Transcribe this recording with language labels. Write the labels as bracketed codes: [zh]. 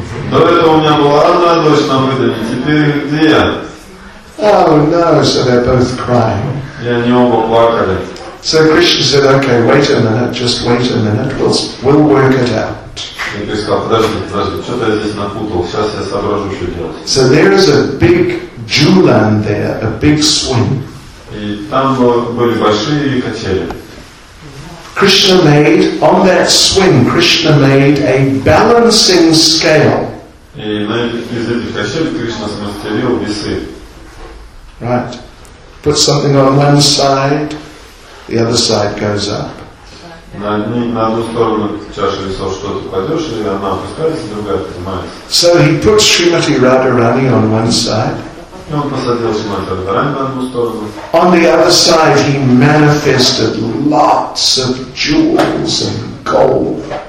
[ru] До этого у меня была одна дочь на выдане, теперь где я? [en] Oh no, so they're both crying. [ru] И они оба плакали. [en] So Krishna said, okay, wait a minute, just wait a minute, we'll work it out. [ru] И Krishna сказал, подожди, что-то я здесь напутал, сейчас я соображу, что делать. [en] So there is a big julan there, a big swing. [ru] И там были большие качели. [en] Krishna made, on that swing, Krishna made a balancing scale. [ru] И на из этих качелей Кришна смастерил весы. [en] Right. Put something on one side, the other side goes up. [ru] На одну сторону чаши весов что-то кладешь, и она опускается, другая поднимается. [en] So he put Srimati Radharani on one side. On the other side, he manifested lots of jewels and gold.